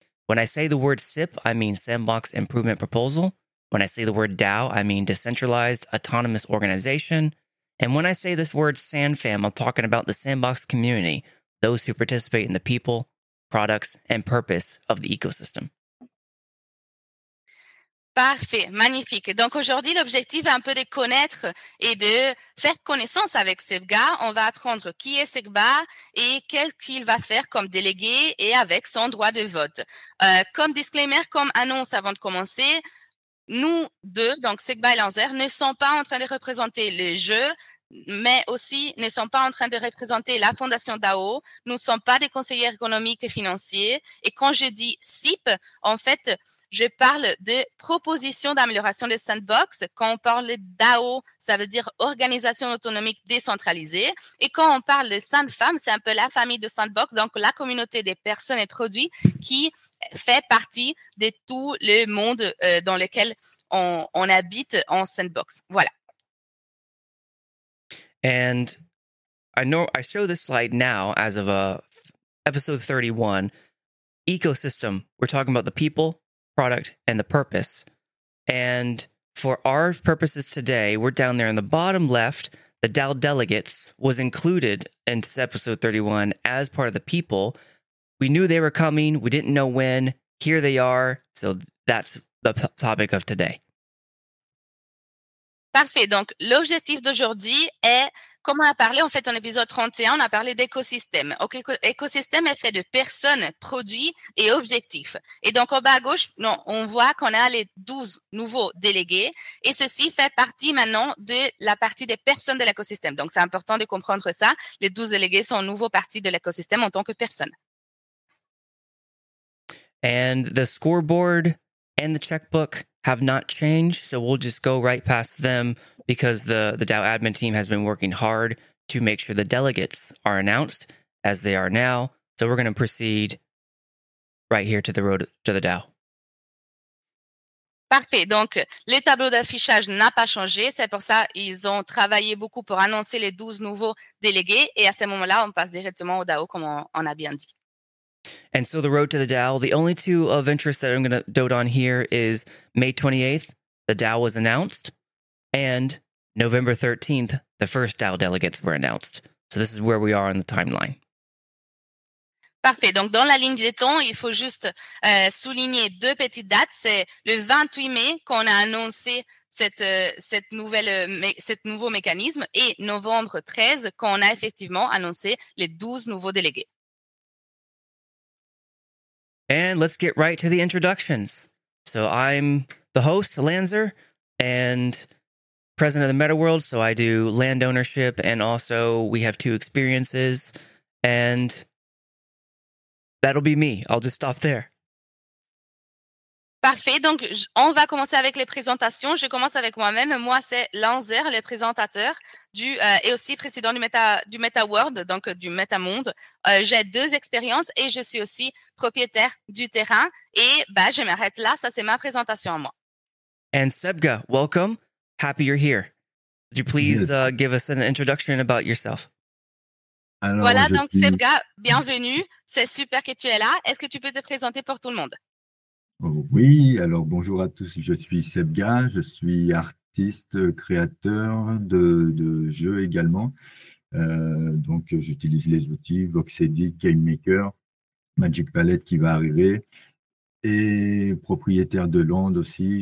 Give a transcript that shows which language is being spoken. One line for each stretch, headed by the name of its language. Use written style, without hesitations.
English: When I say the word SIP, I mean Sandbox Improvement Proposal. When I say the word DAO, I mean Decentralized Autonomous Organization. And when I say this word SANFAM, I'm talking about the Sandbox community, those who participate in the people, products, and purpose of the ecosystem.
French: Parfait, magnifique. Donc aujourd'hui, l'objectif est un peu de connaître et de faire connaissance avec Sebga. On va apprendre qui est Sebga et qu'est-ce qu'il va faire comme délégué et avec son droit de vote. Comme disclaimer, comme annonce avant de commencer, nous deux, donc Sebga et Lanzer, ne sont pas en train de représenter le jeu, mais aussi ne sont pas en train de représenter la Fondation DAO. Nous ne sommes pas des conseillers économiques et financiers. Et quand je dis SIP, en fait, je parle de propositions d'amélioration des sandbox. Quand on parle d'AO, ça veut dire organisation autonomique décentralisée. Et quand on parle de SANFAM, c'est un peu la famille de sandbox, donc la communauté des personnes et produits qui fait partie de tout le monde dans lequel on habite en sandbox. Voilà.
English: And I know I show this slide now as of episode 31. Ecosystem, we're talking about the people, product, and the purpose. And for our purposes today, we're down there in the bottom left. The Dow delegates was included in episode 31 as part of the people. We knew they were coming. We didn't know when. Here they are. So that's the topic of today.
French: Parfait. Donc, l'objectif d'aujourd'hui est, comme on a parlé, en fait, en épisode 31, on a parlé d'écosystème. Donc, écosystème est fait de personnes, produits et objectifs. Et donc, en bas à gauche, non, on voit qu'on a les 12 nouveaux délégués. Et ceci fait partie maintenant de la partie des personnes de l'écosystème. Donc, c'est important de comprendre ça. Les 12 délégués sont nouveaux parties de l'écosystème en tant que personnes.
English: And the scoreboard and the checkbook have not changed, so we'll just go right past them because the DAO admin team has been working hard to make sure the delegates are announced as they are now. So we're going to proceed right here to the road to the DAO.
French: Parfait. Donc, le tableau d'affichage n'a pas changé. C'est pour ça qu'ils ont travaillé beaucoup pour annoncer les 12 nouveaux délégués. Et à ce moment-là, on passe directement au DAO, comme on a bien dit.
English: And so the road to the DAO, the only two of interest that I'm going to dote on here is May 28th, the DAO was announced, and November 13th, the first DAO delegates were announced. So this is where we are in the timeline.
French: Parfait. Donc, dans la ligne de temps, il faut juste souligner deux petites dates. C'est le 28 mai qu'on a annoncé cette nouveau mécanisme et novembre 13 qu'on a effectivement annoncé les 12 nouveaux délégués.
English: And let's get right to the introductions. So I'm the host, Lanzer, and president of the Metaworld. So I do land ownership, and also we have two experiences. And that'll be me. I'll just stop there.
French: Parfait. Donc, on va commencer avec les présentations. Je commence avec moi-même. Moi, c'est Lanzer, le présentateur et aussi président du Meta World, donc du Metamonde. J'ai deux expériences et je suis aussi propriétaire du terrain. Et je m'arrête là. Ça, c'est ma présentation à moi.
English: And Sebga, welcome. Happy you're here. Would you please give us an introduction about yourself?
French: Sebga, bienvenue. C'est super que tu es là. Est-ce que tu peux te présenter pour tout le monde? Oui, alors bonjour à tous, je suis Sebga, je suis artiste, créateur de jeux également. Donc j'utilise les outils Voxedit, GameMaker, Magic Palette qui va arriver, et propriétaire de Land aussi.